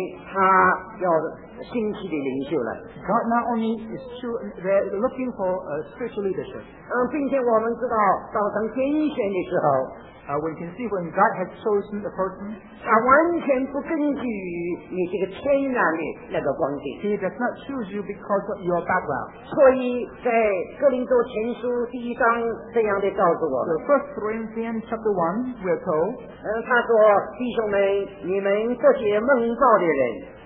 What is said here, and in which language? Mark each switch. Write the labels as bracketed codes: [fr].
[zh] 神他不但是在那里拣选他要兴起的领袖来。 [en] God not only is they're looking for a spiritual leadership. [zh] 并且我们知道当神拣选的时候, [en] we can see when God has chosen the person, [zh] 他完全不根据你这个天然的那个光景。 [en] He does not choose you because of your background. [zh] 所以在哥林多前书第一章这样的告诉我们。 [en] So First Corinthians chapter 1, we're told, [zh] 他说,弟兄们,你们这些梦到的人,